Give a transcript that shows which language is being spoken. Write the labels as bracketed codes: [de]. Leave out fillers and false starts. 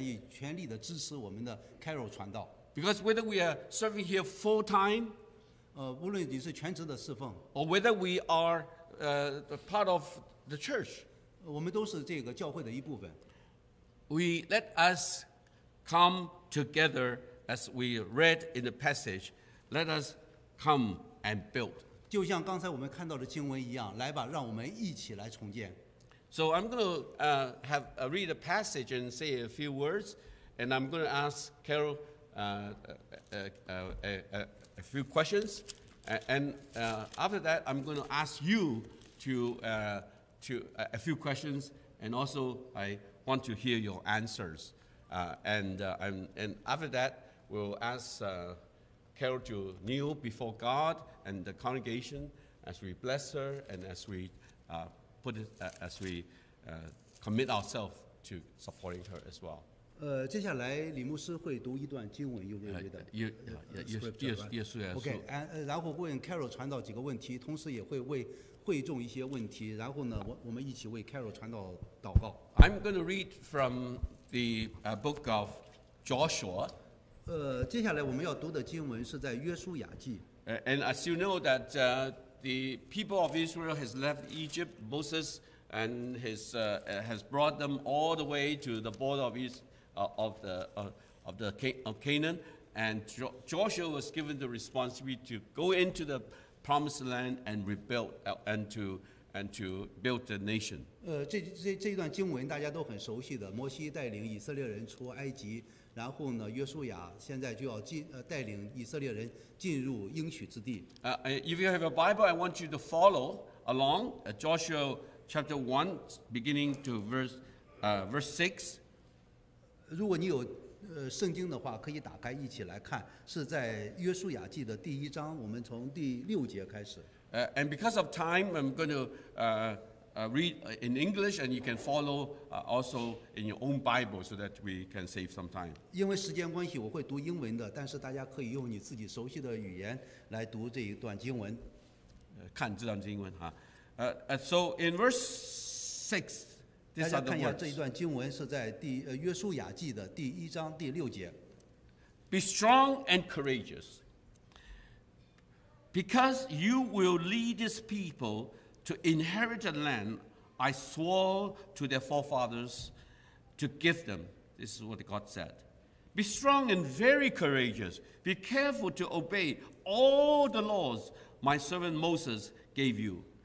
[zh] 今天来，我们在座的每一位弟兄姐妹都是见证人，我们愿意全力的支持我们的Carol传道。 [en] Because whether we are serving here full time, [zh] 无论你是全职的侍奉, [en] or whether we are part of the church, [zh] 我们都是这个教会的一部分, [en] we let us come together as we read in the passage. Let us come and build. [zh] 就像刚才我们看到的经文一样, 来吧, 让我们一起来重建。 [en] So I'm going to read a passage and say a few words, and I'm going to ask Carol a few questions, and after that, I'm going to ask you a few questions, and also I want to hear your answers. And after that, we'll ask Carol to kneel before God and the congregation as we bless her and as we commit ourselves to supporting her as well. [zh] 接下来李牧师会读一段经文，用英语的。 [en] Yes. [zh] OK， 然后问 Carol 传道几个问题，同时也会为会众一些问题。然后呢，我们一起为 Carol 传道祷告。 [en] I'm going to read from the book of Joshua. [zh] 接下来我们要读的经文是在约书亚记。 [en] And as you know that the people of Israel has left Egypt, Moses and has brought them all the way to the border of Israel. Of Canaan, and Joshua was given the responsibility to go into the promised land and rebuild and to build the nation. [zh] 这一段经文大家都很熟悉的，摩西带领以色列人出埃及，然后呢，约书亚现在就要带领以色列人进入应许之地。 [en] If you have a Bible, I want you to follow along Joshua chapter 1, beginning to verse 6. [zh] 如果你有圣经的话，可以打开一起来看，是在约书亚记的第一章，我们从第六节开始。 [en] And because of time, I'm going to read in English, and you can follow also in your own Bible so that we can save some time. [zh] 因为时间关系，我会读英文的，但是大家可以用你自己熟悉的语言来读这一段经文。看这段经文哈。 [en] So in verse 6. [zh] 大家看一下这一段经文是在约书亚记的第一章第六节。 [en] Be strong and courageous, because you will lead this people to inherit a land I swore to their forefathers to give them. This is what God said. Be strong and very courageous. Be careful to obey all the laws my servant Moses gave you.